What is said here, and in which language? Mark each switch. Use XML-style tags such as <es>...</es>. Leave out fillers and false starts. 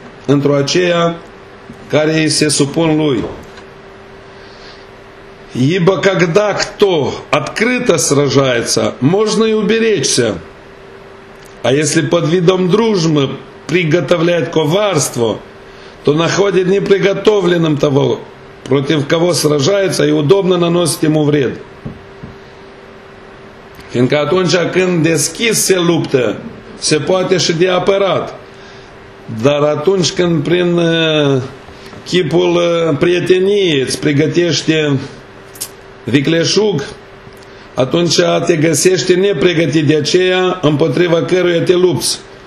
<ro>Într-o aceea care îi se supun lui.</ro> <ru>Ибо когда кто открыто сражается, можно и уберечься. А если под видом дружбы приготовляет коварство, то находит неприготовленным того, против кого сражается, и удобно наносит ему вред.</ru> <ro>Фиindcă atunci când deschis se luptă, se poate și de apărat. Dar atunci când prin chipul prieteniei îți pregătește vicleșug, atunci te găsește nepregătit de aceea împotriva căruia te lupți.</ro>